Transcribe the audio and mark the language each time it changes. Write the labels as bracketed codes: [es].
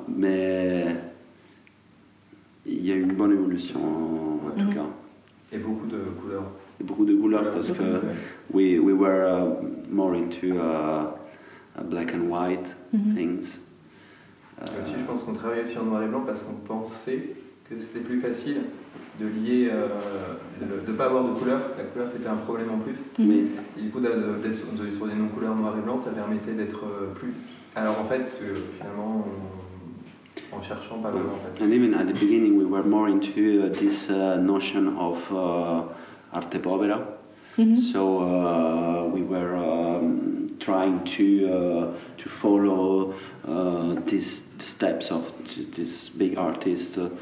[fr] Mais il y a une bonne évolution en tout cas. Et beaucoup de couleurs. [en] We were more into black and white mm-hmm. things. [fr] Aussi, je pense qu'on travaillait aussi en noir et blanc parce qu'on pensait que c'était plus facile. De lier, de ne pas avoir de couleur. La couleur, c'était un problème en plus. Mais du coup, d'être sur des non-couleurs noir et blanc, ça permettait d'être plus. Alors en fait, finalement, en cherchant pas vraiment. En fait. [en] And even at the beginning, we were more into this notion of arte povera. Mm-hmm. So we were trying to follow these steps of this big artist.